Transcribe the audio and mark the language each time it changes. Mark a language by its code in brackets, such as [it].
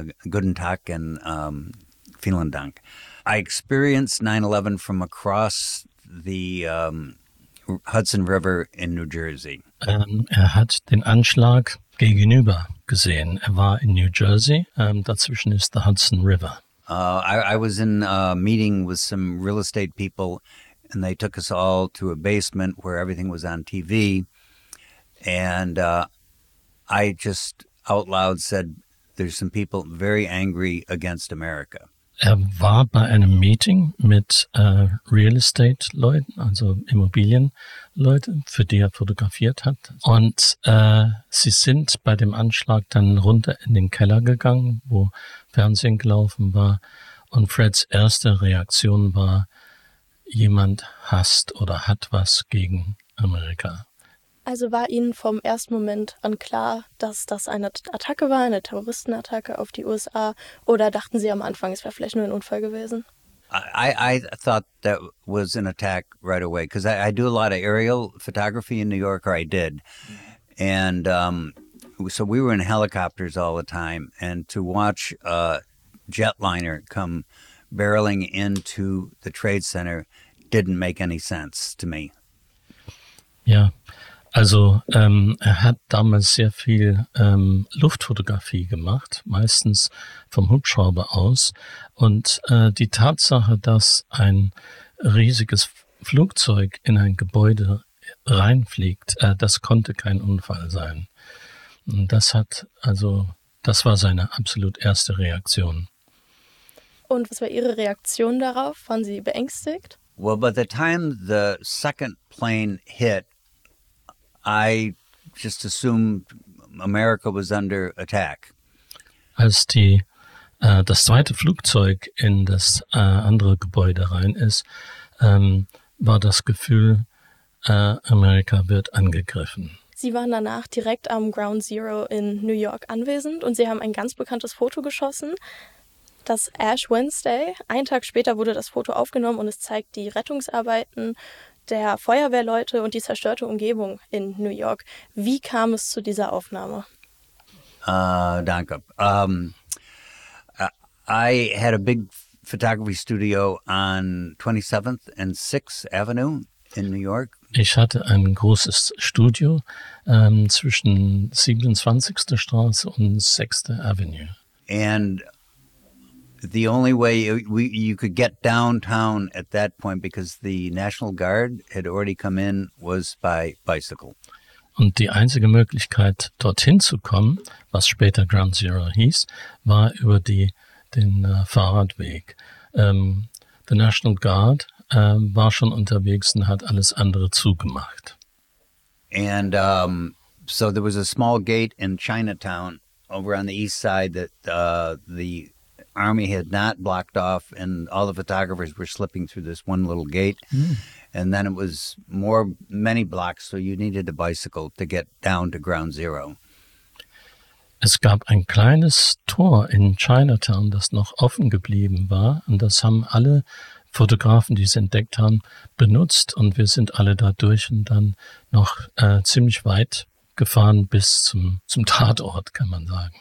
[de] Guten Tag und vielen Dank. [en] I experienced 9/11 from across the Hudson River in New Jersey. [de] Er hat den Anschlag gegenüber gesehen. Er war in New Jersey. Dazwischen ist der Hudson River. [en] I was in a meeting with some real estate people, and they took us all to a basement where everything was on TV. And I just out loud said, there's some people very angry against America. [de] Er war bei einem Meeting mit Real Estate-Leuten, also Immobilienleuten, für die er fotografiert hat. Und sie sind bei dem Anschlag dann runter in den Keller gegangen, wo Fernsehen gelaufen war. Und Freds erste Reaktion war, jemand hasst oder hat was gegen Amerika. Also war Ihnen vom ersten Moment an klar, dass das eine Attacke war, eine Terroristenattacke auf die USA? Oder dachten Sie am Anfang, es wäre vielleicht nur ein Unfall gewesen? [en] I thought that was an attack right away, because I do a lot of aerial photography in New York, or I did. And so we were in helicopters all the time, and to watch a jetliner come barreling into the Trade Center didn't make any sense to me. Yeah. [de] Also er hat damals sehr viel Luftfotografie gemacht, meistens vom Hubschrauber aus. Und die Tatsache, dass ein riesiges Flugzeug in ein Gebäude reinfliegt, das konnte kein Unfall sein. Und das war seine absolut erste Reaktion. Und was war Ihre Reaktion darauf? Waren Sie beängstigt? [en] Well, by the time the second plane hit, I just assumed America was under attack. [de] Als die das zweite Flugzeug in das andere Gebäude rein ist, war das Gefühl, Amerika wird angegriffen. Sie waren danach direkt am Ground Zero in New York anwesend und Sie haben ein ganz bekanntes Foto geschossen, das Ash Wednesday. Einen Tag später wurde das Foto aufgenommen und es zeigt die Rettungsarbeiten der Feuerwehrleute und die zerstörte Umgebung in New York. Wie kam es zu dieser Aufnahme? Danke. [en] I had a big photography studio on 27th and 6th Avenue in New York. [de] Ich hatte ein großes Studio zwischen 27. Straße und 6th Avenue. [en] And the only way you could get downtown at that point, because the National Guard had already come in, was by bicycle. [de] Und die einzige Möglichkeit, dorthin zu kommen, was später Ground Zero hieß, war über den Fahrradweg. The National Guard war schon unterwegs und hat alles andere zugemacht. [en] And so there was a small gate in Chinatown over on the east side that the Army had not blocked off, and all the photographers were slipping through this one little gate. Mm. And then it was many blocks, so you needed a bicycle to get down to Ground Zero. [de] Es gab ein kleines Tor in Chinatown, das noch offen geblieben war, und das haben alle Fotografen, die es entdeckt haben, benutzt, und wir sind alle da durch und dann noch ziemlich weit gefahren bis zum Tatort, kann man sagen.